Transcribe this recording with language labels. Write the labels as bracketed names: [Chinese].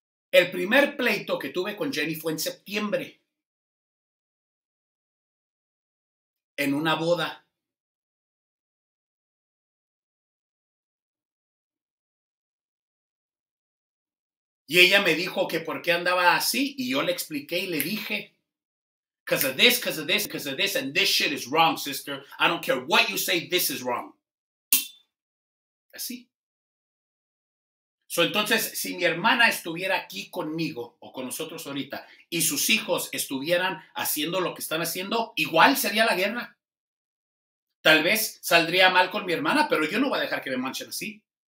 [Spanish] El primer pleito que tuve con Jenny fue en septiembre. En una boda. Y ella me dijo que por qué andaba así. Y yo le expliqué y le dije. [English] Because of this, because of this, because of this. And this shit is wrong, sister. I don't care what you say, this is wrong. [Spanish] Así. So, entonces, si mi hermana estuviera aquí conmigo o con nosotros ahorita y sus hijos estuvieran haciendo lo que están haciendo, igual sería la guerra. Tal vez saldría mal con mi hermana, pero yo no voy a dejar que me manchen así.